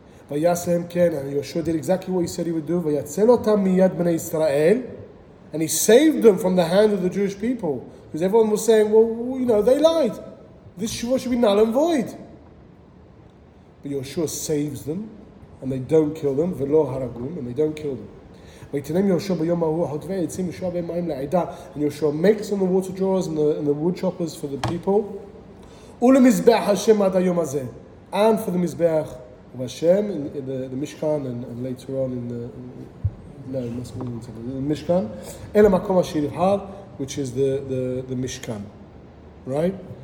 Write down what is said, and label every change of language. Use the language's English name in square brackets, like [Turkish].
[Hebrew] V'yaslehem ken, [English] and Yeshua did exactly what he said he would do. [Hebrew] V'yatzel otam miyad b'nei Yisrael, [English] and he saved them from the hand of the Jewish people. Because everyone was saying, well, you know, they lied. This Shua should be null and void. But Yeshua saves them, and they don't kill them. [Hebrew] V'lo haragum, [English] and they don't kill them. [Hebrew] ויתנם יהושע ביום ההוא חוטבי עצים ושואה בהם מים לעדה. [English] And Yeshua makes on the water drawers and the wood choppers for the people. [Hebrew] ולמזבח השם עד היום הזה. [English] And for the מזבח והשם, the Mishkan and later on in the Mishkan. [Hebrew] אל המקום אשר יבחר, [English] which is the Mishkan. Right?